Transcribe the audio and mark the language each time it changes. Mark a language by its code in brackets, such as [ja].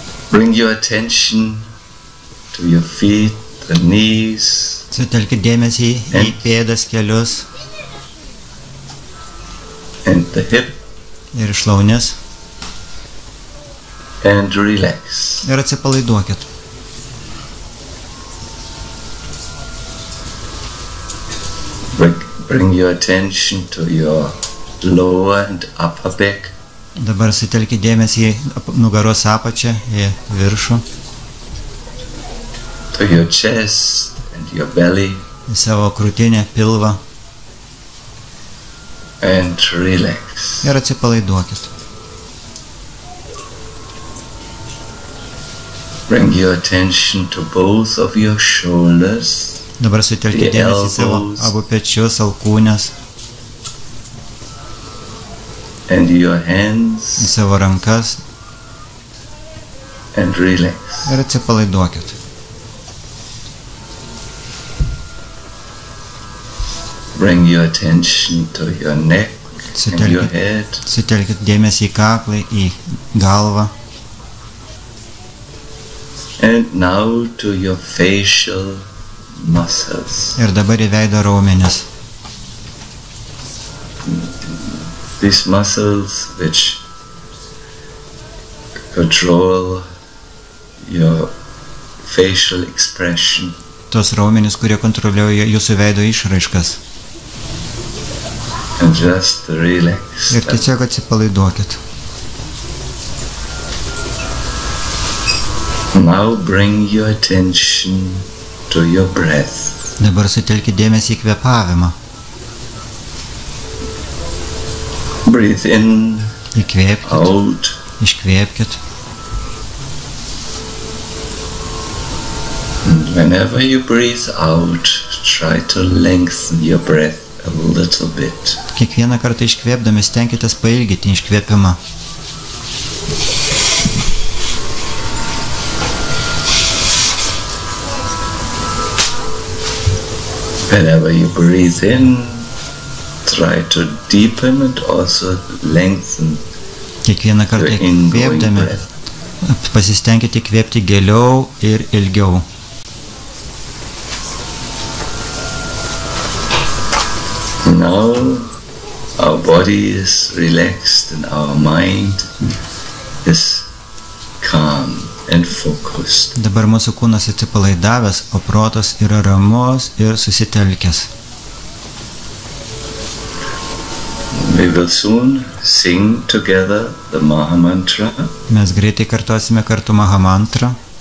[en] Bring your attention to your feet, the knees. [lt] Sutelkit dėmesį į pėdas, kelius. [en] And the hip. [lt] Ir šlaunis. [en] And relax. [lt] Ir atsipalaiduokit. [en] Bring your attention to your lower and upper back. [lt] Dabar sutelkit dėmesį į nugaros apačią, į viršų. [en] To your chest and your belly. [lt] Į savo krūtinę, pilvą. [en] And relax. [lt] Ir atsipalaiduokit. [en] Bring your attention to both of your shoulders. [lt] Dabar sutelkite dėmesį į savo abu pečius, alkūnes. [en] And your hands. [lt] Į savo rankas. [en] And relax. [lt] Ir atsipalaiduokit. [en] Bring your attention to your neck and your head. [lt] Sutelkite dėmesį į kaklą, į galvą. [en] And now to your facial muscles. [lt] Ir dabar į veido raumenis. [en] These muscles which control your facial expression. [lt] Tos raumenis, kurie kontroliuoja jūsų veido išraiškas. [en] And just relax. [lt] Ir tiesiog atsipalaiduokit. [en] Now bring your attention to your breath. [lt] Dabar sutelkit dėmesį į kvėpavimą. [en] Breathe in. [lt] Įkvėpkit. [en] Out. [lt] Iškvėpkit. [en] And whenever you breathe out, try to lengthen your breath a little bit. [lt] Kiekvieną kartą iškvėpdami stenkitės pailginti iškvėpimą. [en] Whenever you breathe in, try to deepen and also lengthen. [lt] Kiekvieną kartą kvėpdami, pasistengite kvėpti giliau ir ilgiau. [en] Now our body is relaxed and our mind is calm. And focused. [lt] Dabar mūsų kūnas atsipalaidavęs, o protas yra ramus ir susitelkęs. [en] We will soon sing together the Maha Mantra. [lt] Mes greitai kartosime kartu Maha Mantra.